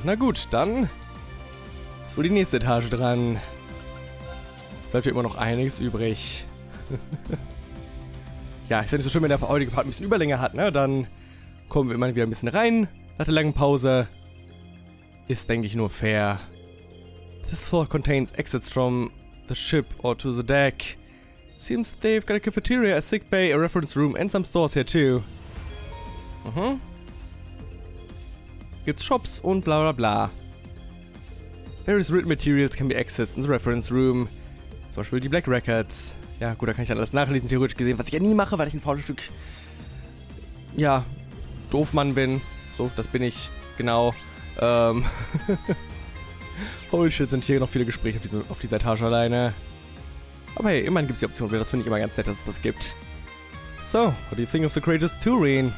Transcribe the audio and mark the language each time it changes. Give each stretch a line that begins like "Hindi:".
German: Na gut, dann ist wohl die nächste Etage dran. Bleibt hier immer noch einiges übrig. Ja, ist ja nicht so schön, wenn der heutige Part ein bisschen Überlänge hat, ne? Dann kommen wir immer wieder ein bisschen rein. Nach der langen Pause ist, denke ich, nur fair.
English: This floor contains exits from the ship or to the deck. Seems they've got a cafeteria, a sick bay, a reference room and some stores here too. Mhm.
German: Gibt's Shops und bla bla bla.
English: Various written materials can be accessed in the reference room.
German: Zum Beispiel die Black Records. Ja gut, da kann ich dann alles nachlesen, theoretisch gesehen, was ich ja nie mache, weil ich ein faules Stück, ja, Doofmann bin. So, das bin ich, genau. Holy shit, sind hier noch viele Gespräche auf dieser Etage alleine. Aber hey, immerhin gibt's die Option, das finde ich immer ganz nett, dass es das gibt.
English: So, what do you think of the greatest Turin?